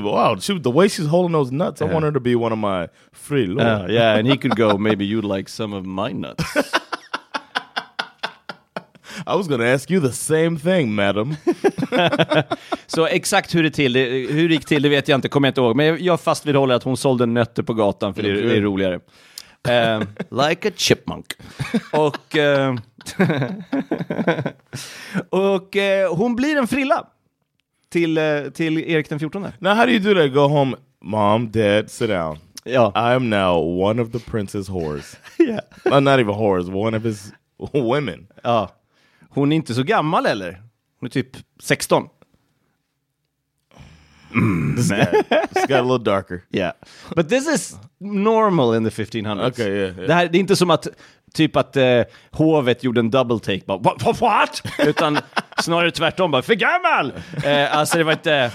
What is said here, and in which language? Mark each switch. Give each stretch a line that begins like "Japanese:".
English: Wow, she, the way she's holding those nuts, I want her to be one of my free lords. Yeah, and he could go, maybe you'd like some of my nuts. I was going to ask you the same thing, madam.
Swedish: Så exakt hur det till, hur gick till, det vet jag inte, kommer jag inte ihåg. Men jag fast vidhåller att hon sålde nötter på gatan, för det är roligare.
English: Like a chipmunk.
Swedish: Och hon blir en frilla till Erik den 14.
English: Now, how do you do that? Go home, mom, dad, sit down.
Swedish: Ja.
English: I am now one of the prince's whores. Yeah. Well, not even whores, one of his women.
Swedish: Ja. Hon är inte så gammal eller? Hon är typ 16.
English: This got a little darker. Yeah. But this is normal in the 1500s. Okay, yeah.
Swedish: Det, här, det är inte som att typ att hovet gjorde en double take. Bara, what? Utan snarare tvärtom. Bara, för gammal! Alltså det var inte...